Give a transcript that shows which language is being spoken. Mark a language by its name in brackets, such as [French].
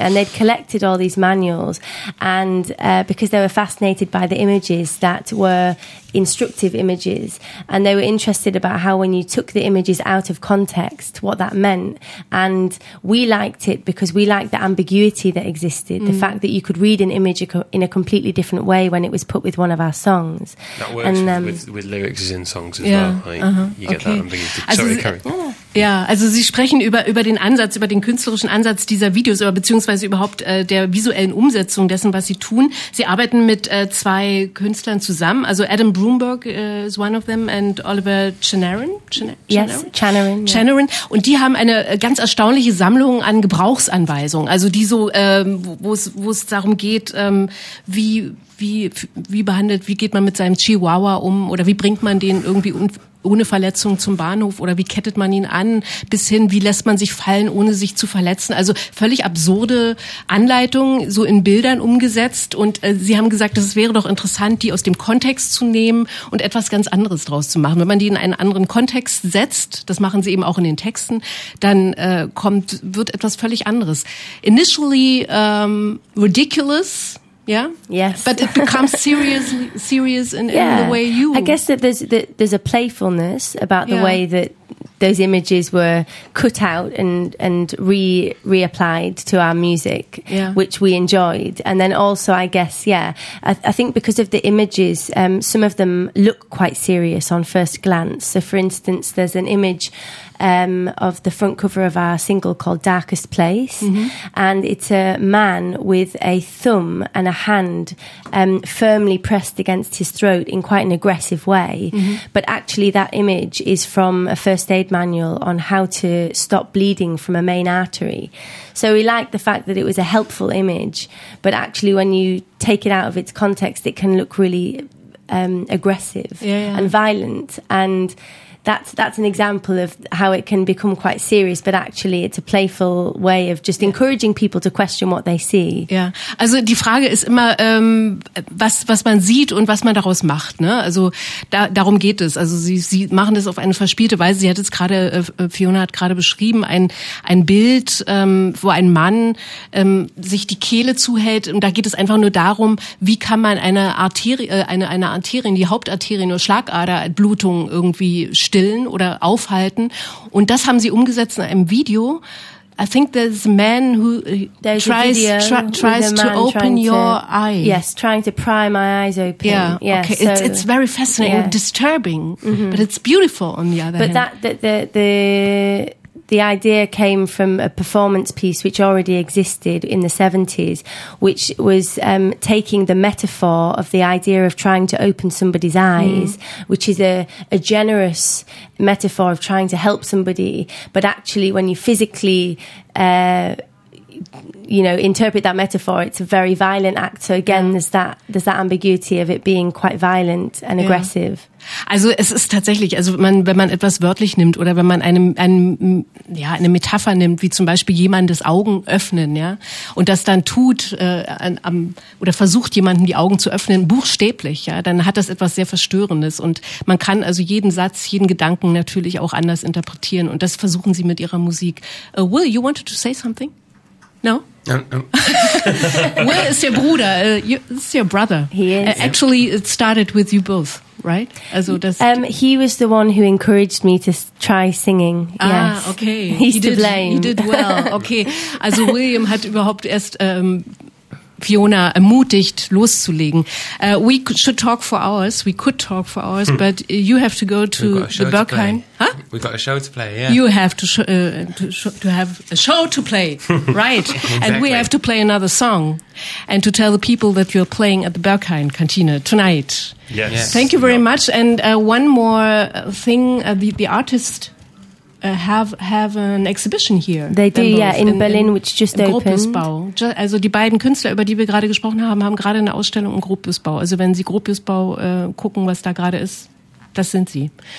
[English] And they'd collected all these manuals. And because they were fascinated by the images that were instructive images, and they were interested about how when you took the images out of context, what that meant. And we liked it because we liked the ambiguity that existed, the fact that you could read an image in a completely different way when it was put with one of our songs. That works and, with lyrics in songs as well. Like, you get that ambiguity. Also [German] Also Sie sprechen über den Ansatz, über den künstlerischen Ansatz dieser Videos, oder beziehungsweise überhaupt der visuellen Umsetzung dessen, was Sie tun. Sie arbeiten mit zwei Künstlern zusammen, also Adam Broomberg [English] is one of them and [German] Oliver Channerin. Und die haben eine ganz erstaunliche Sammlung an Gebrauchsanweisungen, also die so, wo es darum geht, wie geht man mit seinem Chihuahua um oder wie bringt man den irgendwie ohne Verletzung zum Bahnhof oder wie kettet man ihn an, bis hin, wie lässt man sich fallen, ohne sich zu verletzen. Also völlig absurde Anleitungen, so in Bildern umgesetzt. Und Sie haben gesagt, es wäre doch interessant, die aus dem Kontext zu nehmen und etwas ganz anderes draus zu machen. Wenn man die in einen anderen Kontext setzt, das machen Sie eben auch in den Texten, dann wird etwas völlig anderes. [English] Initially ridiculous. Yeah. Yes. But it becomes serious in the way you. I guess that there's a playfulness about the way that those images were cut out and reapplied to our music, which we enjoyed. And then also, I guess, I think because of the images, some of them look quite serious on first glance. So, for instance, there's an image of the front cover of our single called Darkest Place. Mm-hmm. And it's a man with a thumb and a hand firmly pressed against his throat in quite an aggressive way. Mm-hmm. But actually that image is from a first aid manual on how to stop bleeding from a main artery. So we liked the fact that it was a helpful image, but actually when you take it out of its context, it can look really aggressive and violent. And that's an example of how it can become quite serious, but actually it's a playful way of just encouraging people to question what they see. [German] Ja, also die Frage ist immer, was man sieht und was man daraus macht. Ne? Also darum geht es. Also sie machen das auf eine verspielte Weise. Sie hat es gerade, Fiona hat gerade beschrieben, ein Bild, wo ein Mann sich die Kehle zuhält. Und da geht es einfach nur darum, wie kann man die Hauptarterie, nur Schlagaderblutung irgendwie stillen oder aufhalten. Und das haben sie umgesetzt in einem Video. [English] I think there's a man who tries to open your eyes. Yes, trying to pry my eyes open. Yeah, yes, okay. It's very fascinating, yeah. Disturbing, mm-hmm. But it's beautiful on the other hand. The idea came from a performance piece which already existed in the 70s, which was taking the metaphor of the idea of trying to open somebody's eyes, mm-hmm. which is a generous metaphor of trying to help somebody. But actually, when you physically, interpret that metaphor, it's a very violent act. So again, there's that ambiguity of it being quite violent and aggressive. Yeah. [German] Also es ist tatsächlich, also wenn man etwas wörtlich nimmt oder wenn man eine Metapher nimmt, wie zum Beispiel jemandes Augen öffnen, ja, und das dann tut oder versucht, jemanden die Augen zu öffnen, buchstäblich, ja, dann hat das etwas sehr Verstörendes. Und man kann also jeden Satz, jeden Gedanken natürlich auch anders interpretieren. Und das versuchen sie mit ihrer Musik. [English] Will, you wanted to say something? No? No. [German] Will ist ihr Bruder. [English] It's your brother. He is. Actually, it started with you both. Right? [German] Also das [English] He was the one who encouraged me to try singing. Ah, yes. Okay. He's to blame. He did well. Okay. [German] Also William hat überhaupt erst Fiona ermutigt, loszulegen. [English] We could talk for hours, but you have to go to the Berghain. Huh? We've got a show to play, yeah. You have to have a show to play, right? Exactly. And we have to play another song and to tell the people that you're playing at the Berghain Cantina tonight. Yes. Thank you very much. And one more thing, the artist... Have an exhibition here. They do, yeah, in Berlin, which just opened. Gropiusbau. [German] Also die beiden Künstler, über die wir gerade gesprochen haben, haben gerade eine Ausstellung im Gropiusbau. Also wenn Sie Gropiusbau gucken, was da gerade ist, das sind Sie.